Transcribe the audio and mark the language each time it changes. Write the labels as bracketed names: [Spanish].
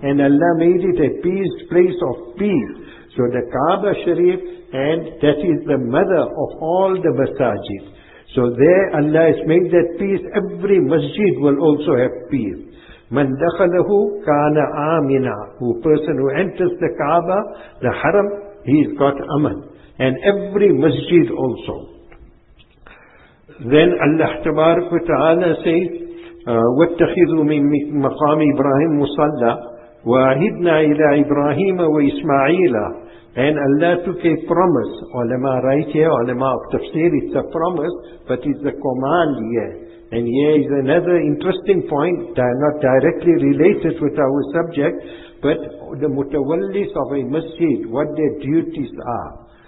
[English] And Allah made it a peace, place of peace. So the Kaaba Sharif, and that is the mother of all the masajid. So there Allah has made that peace, every masjid will also have peace. [Arabic] من دخله كان آمنا. [English] Who person who enters the Kaaba, the Haram, he's got aman. And every masjid also. Then Allah Tabarak wa Ta'ala says, [Arabic] وَاتَّخِذُوا مِنْ مَقَامِ إِبْرَاهِيمُ مُصَلَّى وَأَهِدْنَا إِلَىٰ إِبْرَاهِيمَ وَإِسْمَعِيلَ. [English] And Allah took a promise. Ulama right here, ulama of tafsir, it's a promise, but it's a command here. And here is another interesting point, not directly related with our subject, but the mutawallis of a masjid, what their duties are.